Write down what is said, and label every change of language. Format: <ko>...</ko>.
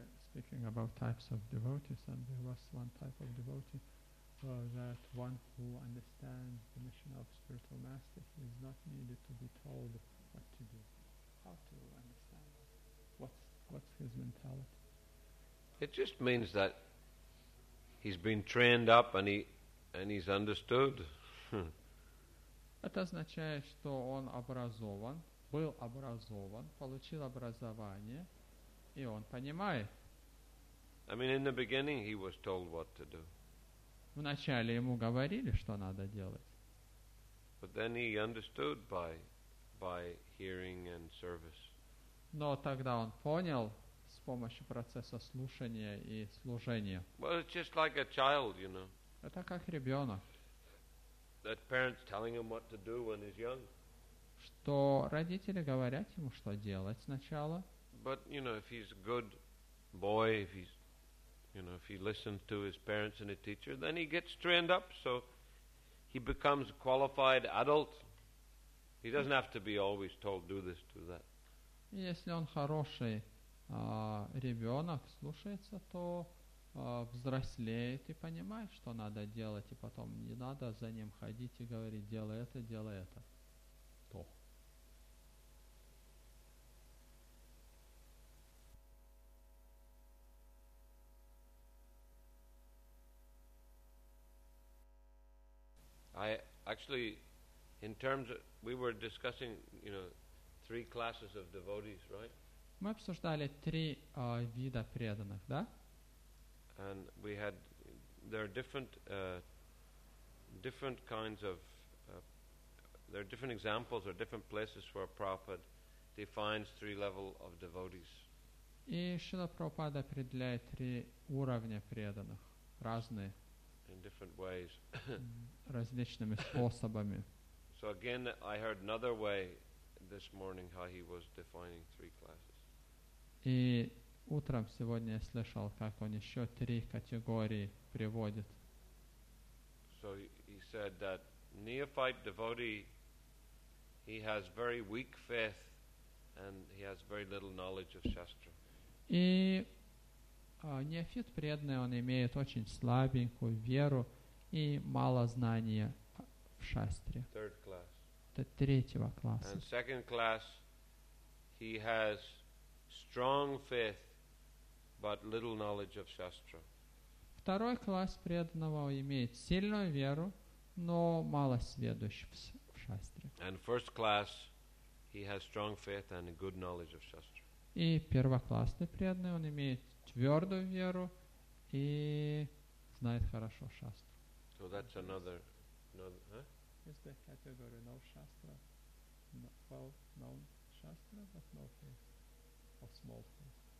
<en>Speaking about types of devotees, and there was one type of devotee, that one who understands the mission of spiritual master, he is not needed to be told what to do, how to understand, what's his mentality. It just means that he's been trained up and he's understood.</en> <ru>Это означает, что он образован, был образован, получил образование, и он понимает.</ru> <en>I mean, in the beginning, he was told what to do.</en> <ru>Вначале ему говорили, что надо делать.</ru> <en>But then he understood by hearing and service.</en> <ru>Но тогда он понял с помощью процесса слушания и служения.</ru> <en>Well, it's just like a child, you know.</en> <ru>Это как ребенок.</ru> <en>That parents telling him what to do when he's young.</en> <ru>Что родители говорят ему, что делать сначала.</ru> <en>But, you know, if he's a good boy, if he's You know, if he listens to his parents and a teacher, then he gets trained up, so he becomes a qualified adult. He doesn't have to be always told, do this, do that.</en> <ru>Если он хороший ребенок, слушается, то взрослеет и понимает, что надо делать, и потом не надо за ним ходить и говорить, делай это, то.</ru> <en>I actually, in terms of, we were discussing, you know, three classes of devotees, right?</en> <ru>Мы обсуждали три вида преданных, да?</ru> <en>And we had, there are different different kinds of, there are different examples or different places where Prabhupada defines three level of devotees.</en> <ru>И Шрила Прабхупада определяет три уровня преданных, разные.</ru> <en>In different ways.</en> <ru>Различными способами.</ru> <en>So again, I heard another way this morning how he was defining three classes.</en> <ru>И утром сегодня я слышал, как он еще три категории приводит.</ru> <en>So he said that neophyte devotee, he has very weak faith and he has very little knowledge of Shastra.</en> <ru>И неофит преданный, он имеет очень слабенькую веру и мало знания в Шастре.</ru> <en>Third class.</en> <ru>Это третьего класса.</ru> <en>And second class, he has strong faith, but little knowledge of Shastra.</en> <ru>Второй класс преданного имеет сильную веру, но мало сведущ в Шастре.</ru> <en>And first class, he has strong faith and a good knowledge of Shastra.</en> <ru>И первоклассный преданный, он имеет твердую веру и знает хорошо Шастру.</ru> <en>So that's another, huh? Is the category no Shastra, well, known Shastra, but no faith, or small faith?</en>